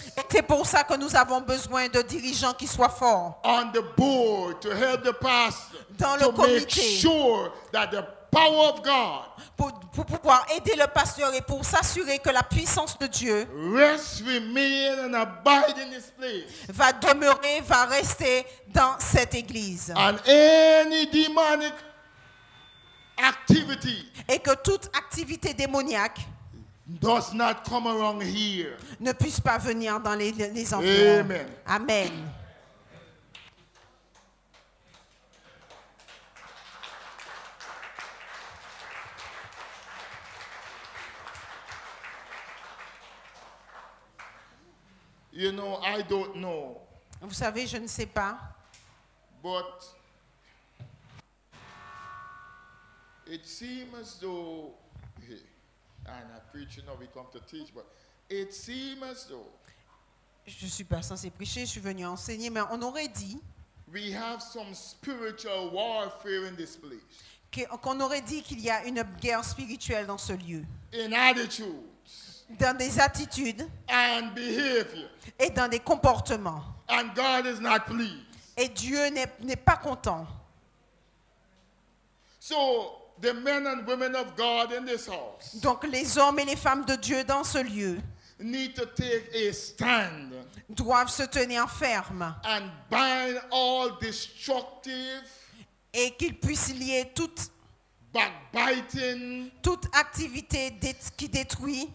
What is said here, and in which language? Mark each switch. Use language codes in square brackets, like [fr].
[fr] Et c'est pour ça que nous avons besoin de dirigeants qui soient forts. [en] On the board to help the pastor. [fr] Dans le comité. [en] To make sure that the power of God. [fr] Pour pouvoir aider le pasteur et pour s'assurer que la puissance de Dieu. [en] Rest, remain, and abide in this place. [fr] Va demeurer, va rester dans cette église. [en] And any demonic activity. [fr] Et que toute activité démoniaque [en] does not come around here. [fr] Ne puisse pas venir dans les enfants. Amen. Amen. [en] You know, I don't know. [fr] Vous savez, je ne sais pas. [en] But it seems as though, and I'm preaching, now we come to teach, but it seems as though. [fr] Je suis pas censé prêcher, je suis venu enseigner, mais on aurait dit. [en] We have some spiritual warfare in this place. [fr] Qu'on aurait dit qu'il y a une guerre spirituelle dans ce lieu. [en] In attitudes. [fr] Dans des attitudes. [en] And behavior. [fr] Et dans des comportements. [en] And God is not pleased. [fr] Et Dieu n'est pas content. [en] So. The men and women of God in this house. [fr] Donc les hommes et les femmes de Dieu dans ce lieu. [en] Need to take a stand. [fr] Doivent se tenir ferme. [en] And bind all destructive. [fr] Et qu'ils puissent lier toute. [en] Backbiting. [fr] Toute activité qui détruit.